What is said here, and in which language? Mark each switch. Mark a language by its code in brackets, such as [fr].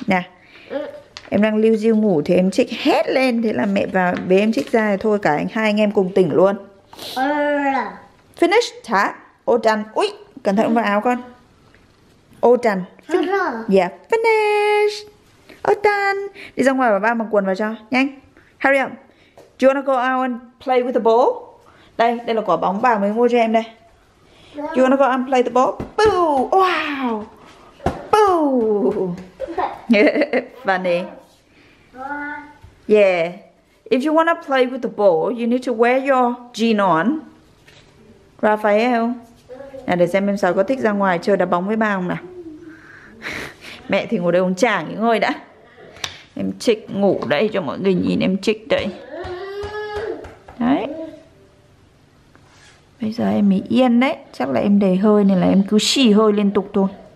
[vi] Nè, em đang lưu diêu ngủ thì em Trích hét lên, thế là mẹ vào bế em Trích ra thì thôi cả hai anh em cùng tỉnh luôn. [en] Finish [vi] hả? [en] All done. [vi] Ui, cẩn thận vào áo con. [en] All done. Finish. All done. [vi] Đi ra ngoài và ba mặc quần vào cho nhanh. [en] Hurry up. Do you wanna go out and play with the ball? [vi] Đây là quả bóng bà mới mua cho em đây. [en] Do you wanna go and play the ball? Boo! Wow! Boo! Funny. Yeah. If you wanna play with the ball, you need to wear your jean on. Raphael. [vi] Nè, để xem em sao có thích ra ngoài chơi đá bóng với ba không nào. Mẹ thì ngồi đây uống trà nghỉ ngơi đã. Em Trích ngủ đây cho mọi người nhìn em Trích đây. Đấy. Bây giờ em mới yên đấy, chắc là em đầy hơi nên là em cứ xì hơi liên tục thôi.